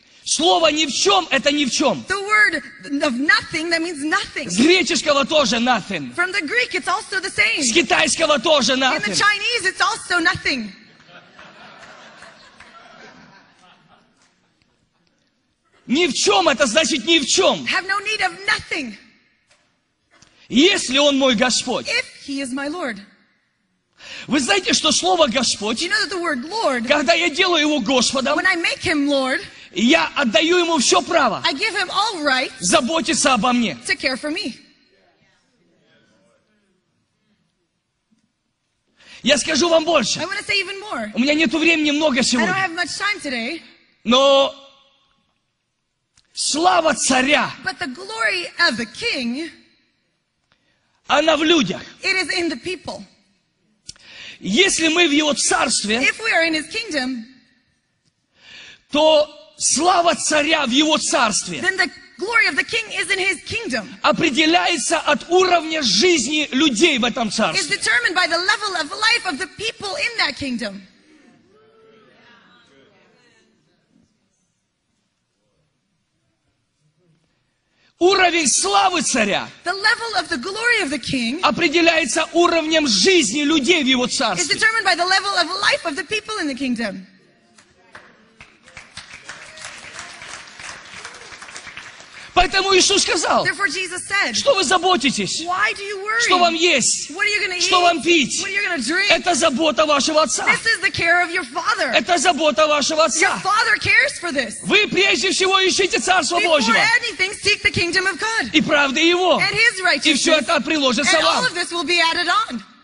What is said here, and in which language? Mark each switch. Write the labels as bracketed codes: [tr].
[ru] Слово ни в чем это ни в чем. [en] The word of nothing, that means nothing. [ru] С греческого тоже nothing. [en] From the Greek, it's also the same. [ru] С китайского тоже nothing. [en] In the Chinese, it's also nothing. [ru] Ни в чем это значит ни в чем. [en] Have no need of nothing. [ru] Если он мой Господь. [en] If he is my Lord. [ru] Вы знаете, что слово Господь, [en] you know that the word Lord, [ru] когда я делаю его Господом, [en] when I make him Lord, [ru] я отдаю ему все право [en] I give him all right [ru] заботиться обо мне. [en] To care for me. [ru] Я скажу вам больше. [en] I want to say even more. [ru] У меня нет времени много сегодня. [en] I don't have much time today. [ru] Но слава царя, [en] but the glory of the king, [ru] она в людях. [en] It is in the people. [ru] Если мы в Его царстве, [en] if we are in his kingdom, [ru] то слава царя в Его царстве, [en] then the glory of the king is in his kingdom, [ru] определяется от уровня жизни людей в этом царстве. [en] It's determined by the level of life of the people in that kingdom. [ru] Уровень славы царя [en] the level of the glory of the king [ru] определяется уровнем жизни людей в его царстве. [en] Is determined by the level of life of the people in the kingdom. [ru] Поэтому Иисус сказал, [en] therefore Jesus said, [ru] что вы заботитесь? [en] Why do you worry? [ru] Что вам есть? [en] What are you gonna eat? [ru] Что вам пить? [en] What are you gonna drink? [ru] Это забота вашего отца. [en] This is the care of your father. [ru] Это забота вашего отца. [en] Your father cares for this. [ru] Вы прежде всего ищите Царство Божие. [en] Before anything, seek the kingdom of God. [ru] И правды Его. [en] And his righteousness. [ru] И все это приложится [en] and [ru] вам. [en] All of this will be added on.